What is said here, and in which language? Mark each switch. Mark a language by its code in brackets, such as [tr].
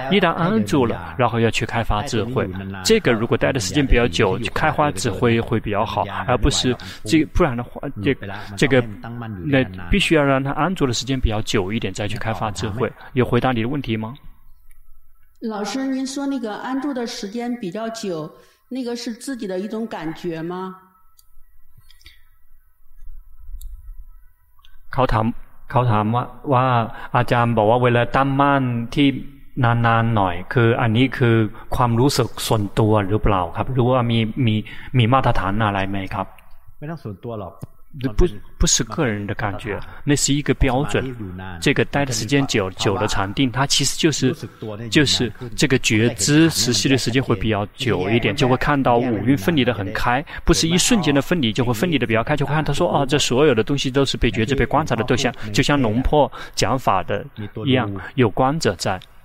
[zh] 一旦安住了，然后要去开发智慧。这个如果待的时间比较久，开花指挥会比较好，而不是这个、不然的话，这个那必须要让它安住的时间比较久一点再去开发智慧。有回答你的问题吗？老师，您说那个安住的时间比较久，那个是自己的一种感觉吗？ [th] เขาถามว่าอาจารย์บอกว่าเวลาตั้งมั่นที่นานๆหน่อยคืออันนี้คือความรู้สึกส่วนตัวหรือเปล่าครับหรือว่ามีมาตรฐานอะไรไหมครับ ไม่ต้องส่วนตัวหรอก [zh] 不是个人的感觉，那是一个标准。这个待的时间久久的禅定，它其实就是这个觉知持续的时间会比较久一点，就会看到五蕴分离的很开，不是一瞬间的分离就会分离的比较开，就会看他说啊，这所有的东西都是被觉知被观察的对象，就像龙婆讲法的一样，有观者在。